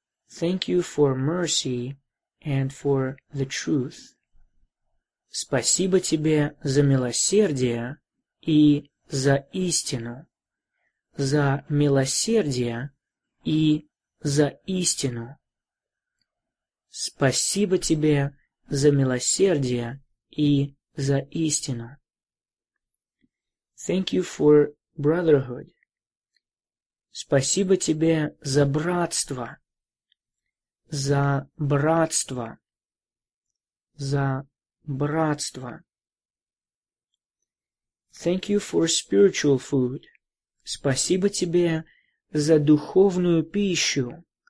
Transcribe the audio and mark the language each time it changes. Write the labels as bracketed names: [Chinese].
[English] Thank you for mercy and for the truth. [Russian] Спасибо тебе за милосердие и за истину. За милосердие и за истину. Спасибо тебе за милосердие и за истину. [English] Thank you for brotherhood. [Russian] Спасибо тебе за братство. За братство. За братство. [English] Thank you for spiritual food. [Russian] Спасибо тебе за духовную пищу.